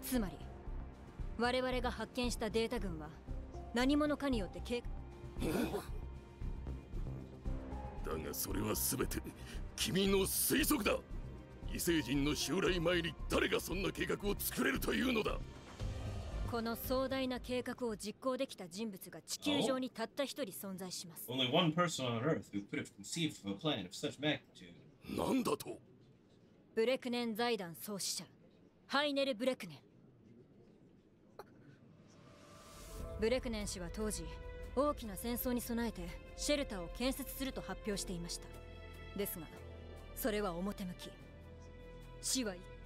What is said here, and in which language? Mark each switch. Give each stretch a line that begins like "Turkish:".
Japanese: つまり、我々が発見したデータ群は、何者かによって計画。だがそれは全て、君の推測だ。異星人の襲来前に誰がそんな計画を作れるというのだ。この壮大な計画を実行できた人物が地球上にたった一人存在します。
English: Only one person on Earth who could have conceived of a plan of such magnitude.
Japanese: なんだと。ブレクネン財団創始者ハイネル・ブレクネン。ブレクネン氏は当時大きな戦争に備えてシェルターを建設すると発表していました。ですがそれは表向き。死はい、